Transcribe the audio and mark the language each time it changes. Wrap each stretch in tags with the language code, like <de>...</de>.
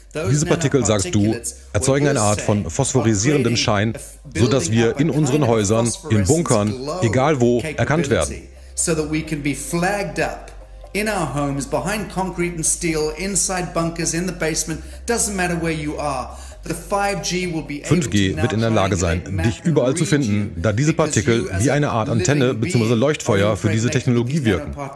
<de>Diese Partikel, sagst du, erzeugen eine Art von phosphorisierendem Schein, sodass wir in unseren Häusern, in Bunkern, egal wo, erkannt werden.</de> <en>So that we can be flagged up in our homes, behind concrete and steel, inside bunkers, in the basement, doesn't matter where you are.</en> <de>5G wird in der Lage sein, dich überall zu finden, da diese Partikel wie eine Art Antenne bzw. Leuchtfeuer für diese Technologie wirken.</de>